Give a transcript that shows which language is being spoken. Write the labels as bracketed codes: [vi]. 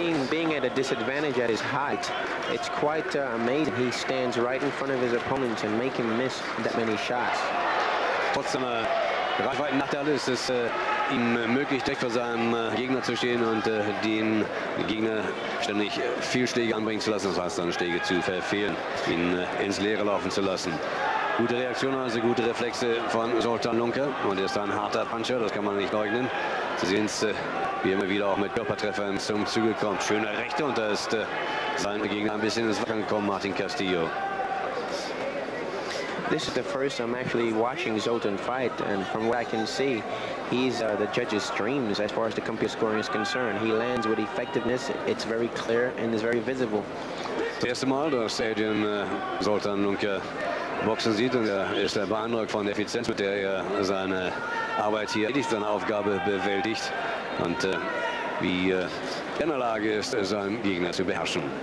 [en] Being at a disadvantage at his height, it's quite amazing. He stands right in front of his opponent and make him miss that many shots. [de] Trotzdem, Reichweiten nach der Halle ist es ihm möglich, direkt vor seinem Gegner zu stehen und den Gegner ständig viel Schläge anbringen zu lassen, das heißt dann Schläge zu verfehlen, ihn ins Leere laufen zu lassen. Gute Reaktion, also gute Reflexe von Zoltan Lunke und er ist ein harter Puncher, das kann man nicht leugnen. Sie sehen es, wie immer wieder auch mit Körpertreffern zum Zuge kommt. Schöne Rechte und da ist sein Gegner ein bisschen ins Wackeln gekommen, Martin Castillo. [en] This is the first I'm actually watching Zoltan fight, and from what I can see, he's the judges' dreams as far as the computer scoring is concerned. He lands with effectiveness, it's very clear and is very visible. [de] Das erste Mal, dass Adrian Zoltan Lunke boxen sieht, und ist er beeindruckt von der Effizienz, mit der er seine Arbeit hier erledigt, seine Aufgabe bewältigt und wie er in der Lage ist, seinen Gegner zu beherrschen.